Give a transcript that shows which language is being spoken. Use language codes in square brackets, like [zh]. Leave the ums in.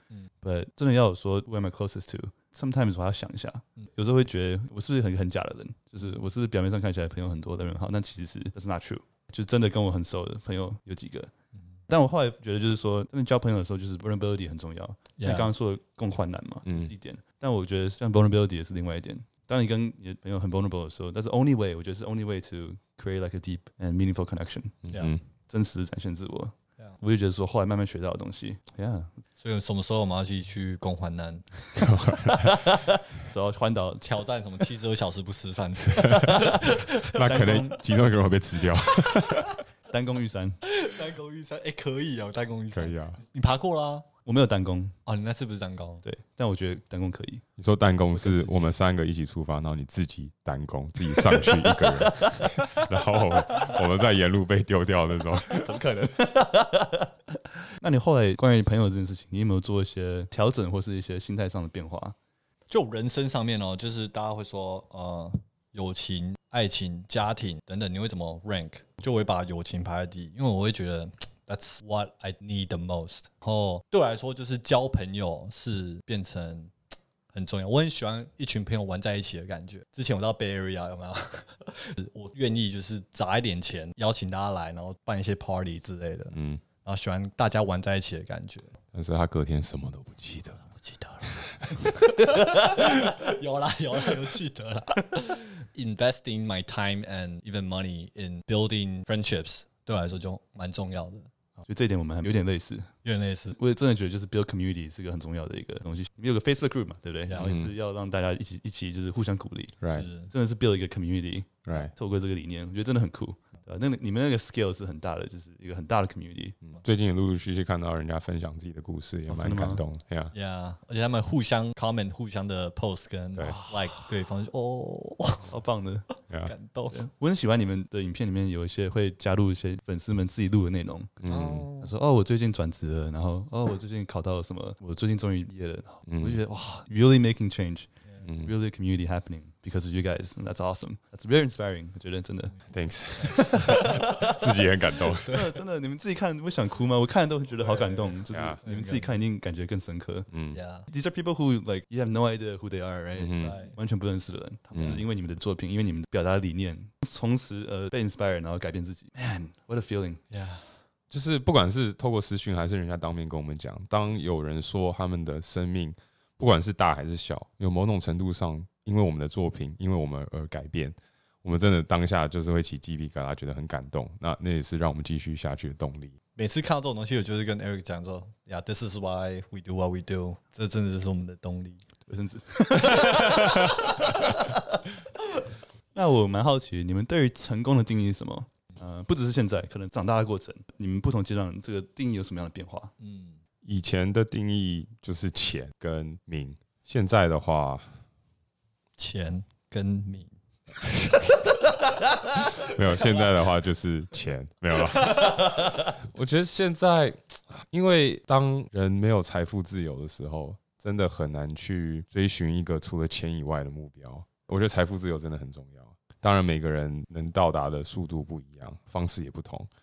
[zh] 嗯，但真的要有说， [en] what am I closest to？ [zh] Sometimes 我要想一下，有时候会觉得，我是不是很很假的人？就是我是表面上看起来朋友很多，人很好，但其实 t 是 [en] not true。 [zh] 就真的跟我很熟的朋友有几个。但我后来觉得，就是说，交朋友的时候，就是 vulnerability 很重要。你刚刚说共患难嘛，嗯，是一点。但我觉得像 vulnerability 也是另外一点。当你跟你的朋友很 vulnerable 的时候，但是 [en] only way 我觉得是 only way to create like a deep and meaningful connection。 [zh] 这样，真实展现自我。我就觉得说，后来慢慢学到的东西。 Yeah。所以什么时候我们要去去共患难？哈哈哈哈只要挑战什么七十二小时不吃饭， 那可能其中一个人会被吃掉。單攻, 单攻玉山，单工玉山，哎，可以啊，单攻玉山可以啊，你爬过啦、啊，我没有单工啊、哦，你那是不是单高？对，但我觉得单工可以。你说单工是，我们三个一起出发，然后你自己单工，自己上去一个人，然后我们在沿路被丢掉那种？怎么可能？那你后来关于朋友这件事情，你有没有做一些调整或是一些心态上的变化？就人生上面哦，就是大家会说，呃。友情、爱情、家庭等等，你会怎么 rank？就会把友情排在第一，因为我会觉得 [en] that's what I need the most。 [zh] 然后对我来说，就是交朋友是变成很重要。我很喜欢一群朋友玩在一起的感觉。之前我到 b a y a r e a 有没有？我愿意就是砸一点钱邀请大家来，然后办一些 party 之类的。嗯，然后喜欢大家玩在一起的感觉。但是他隔天什么都不记得，不记得。有啦有啦，有记得啦。 [en] Investing my time and even money in building friendships， [zh] 对我来说就蛮重要的。就这一点，我们有点类似，有点类似。我也真的觉得就是 build community 是个很重要的一个东西。你有个 Facebook group 嘛，对不对？然后也是要让大家一起一起就是互相鼓励。 Right，真的是 build 一个 community。 Right，透过这个理念，我觉得真的很酷。呃，那个你们那个 scale 是很大的，就是一个很大的 community。嗯，最近也陆陆续续看到人家分享自己的故事，也蛮感动，对啊、哦。对、yeah, 而且他们互相 comment、嗯、互相的 post 跟 like 对方，哦，好棒的， 感动。我很喜欢你们的影片里面有一些会加入一些粉丝们自己录的内容。嗯，嗯他说哦，我最近转职了，然后哦，我最近考到了什么， 我最近终于毕业了。然後我就覺得嗯，我觉得哇， [en] really making change，really community happening、 [zh] 嗯。 [en] Because you guys, that's awesome. That's very inspiring. [zh] 我觉得真的，Thanks，自己也很感动。真的，你们自己看会想哭吗？我看都会觉得好感动。就是你们自己看一定感觉更深刻。嗯，Yeah. [en] These are people who like you have no idea who they are, right? [zh] 完全不认识的人，他们是因为你们的作品，因为你们表达的理念，从此呃被 inspire，然后改变自己。 [en] Man, what a feeling! Yeah. [zh] 就是不管是透过私讯还是人家当面跟我们讲，当有人说他们的生命，不管是大还是小，有某种程度上。因为我们的作品，因为我们而改变，我们真的当下就是会起鸡皮疙瘩，觉得很感动。那那也是让我们继续下去的动力。每次看到这种东西，我就是跟 Eric 讲说：“呀、yeah,， [en] This is why we do [zh] what we do。 ”这真的就是我们的动力。卫生纸。那我蛮好奇，你们对于成功的定义是什么？呃，不只是现在，可能长大的过程，你们不同阶段这个定义有什么样的变化？嗯，以前的定义就是钱跟名，现在的话。钱跟名，没有。现在的话就是钱 没有了。我觉得现在，因为当人没有财富自由的时候，真的很难去追寻一个除了钱以外的目标。我觉得财富自由真的很重要。当然，每个人能到达的速度不一样，方式也不同。